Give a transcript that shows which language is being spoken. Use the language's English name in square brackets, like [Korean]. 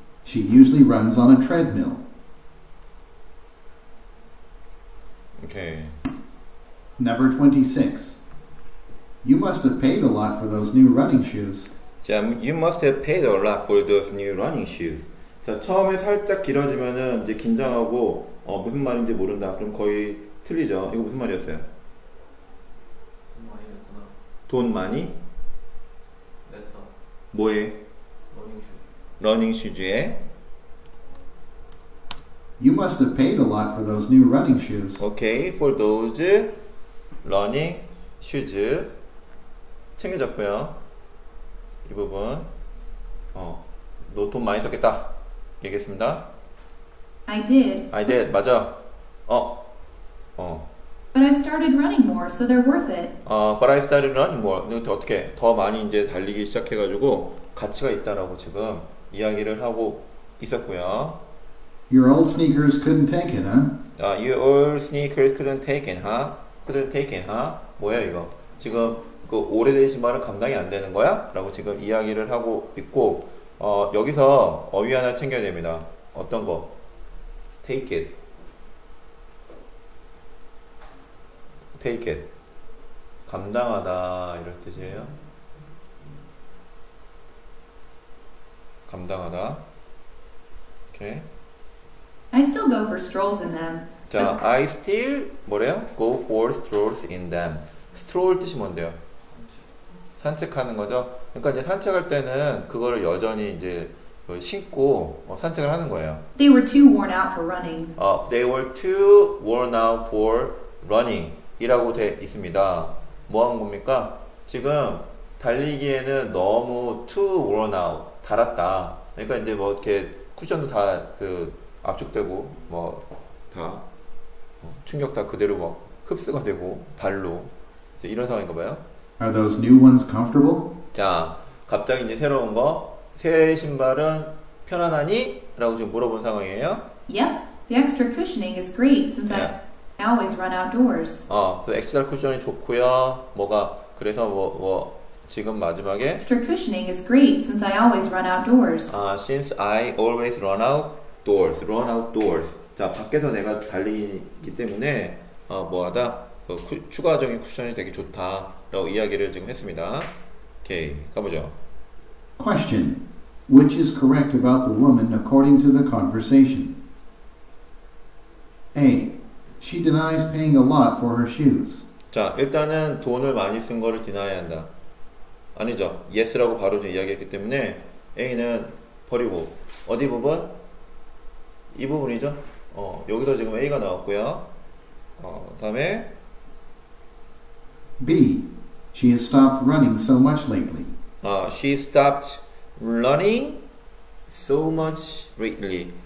[English] She usually runs on a treadmill. Okay. Number 26. You must have paid a lot for those new running shoes. Yeah, you must have paid a lot for those new running shoes. [Korean] 자, 처음에 살짝 길어지면은 이제 긴장하고 무슨 말인지 모른다. 그럼 거의 틀리죠. 이거 무슨 말이었어요? 돈 많이 냈구나. 돈 많이? 냈다. 뭐에? 러닝 슈즈에? [English] You must have paid a lot for those new running shoes. Okay, for those running shoes. [Korean] 챙겨졌고요. 이 부분. 너 돈 많이 썼겠다. 얘기했습니다. [English] I did. [Korean] 맞아. [English] But I've started running more, so they're worth it. But I started running more. [Korean] 어떻게? 더 많이 이제 달리기 시작해가지고 가치가 있다라고 지금 이야기를 하고 있었고요. [English] Your old sneakers couldn't take it, huh? Your old sneakers couldn't take it, huh? [Korean] 뭐야 이거? 지금 그 오래된 신발은 감당이 안 되는 거야? 라고 지금 이야기를 하고 있고 여기서 어휘 하나 챙겨야 됩니다. 어떤 거? [English] Take it. [Korean] 감당하다 이런 뜻이에요. 감당하다. 오케이. [English] I still go for strolls in them. 자, I still [Korean] 뭐래요? [English] Go for strolls in them. Stroll [Korean] 뜻이 뭔데요? 산책하는 거죠. 그러니까 이제 산책할 때는 그거를 여전히 이제 신고 산책을 하는 거예요. [English] They were too worn out for running. They were too worn out for running. [Korean] 이라고 돼 있습니다. 뭐 한 겁니까? 지금 달리기에는 너무 [English] too worn out. [Korean] 달았다. 그러니까 이제 뭐 이렇게 쿠션도 다 그 압축되고 뭐 다 충격 다 그대로 막 흡수가 되고 발로 이제 이런 상황인가 봐요. [English] Are those new ones comfortable? [Korean] 자, 갑자기 이제 새로운 거 새 신발은 편안하니? 라고 지금 물어본 상황이에요. [English] Yep, the extra cushioning is great since yeah. I always run outdoors. [Korean] 그 엑스트라 쿠션이 좋고요. 뭐가 그래서 뭐 지금 마지막에 [English] extra cushioning is great since I always run outdoors. Since I always run outdoors. Run outdoors. [Korean] 자, 밖에서 내가 달리기 때문에 뭐하다? 추가적인 쿠션이 되게 좋다 라고 이야기를 지금 했습니다. 오케이, 가보죠. [English] Question. Which is correct about the woman according to the conversation? A. She denies paying a lot for her shoes. [Korean] 자, 일단은 돈을 많이 쓴 거를 deny 한다. 아니죠. Yes라고 바로 이야기했기 때문에 A는 버리고 어디 부분? 이 부분이죠. 여기서 지금 A가 나왔고요. 다음에 [English] B. She has stopped running so much lately. She stopped running so much lately.